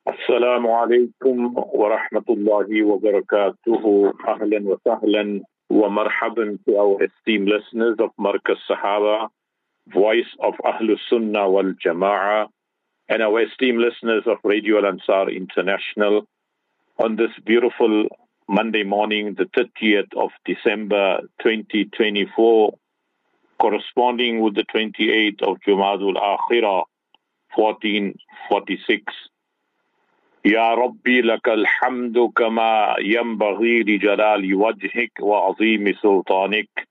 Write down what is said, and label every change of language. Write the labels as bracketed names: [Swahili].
[Arabic] السلام عليكم ورحمة الله وبركاته. أهلا وسهلا ومرحبا [English] to our esteemed listeners of مركز صحابة, voice of أهل السنة والجماعة, and our esteemed listeners of Radio Al-Ansar International on this beautiful Monday morning, the 30th of December 2024, corresponding with the 28th of Jumadul Akhira 1446. [Arabic] يا ربي لك الحمد كما ينبغي لجلال وجهك وعظيم سلطانك.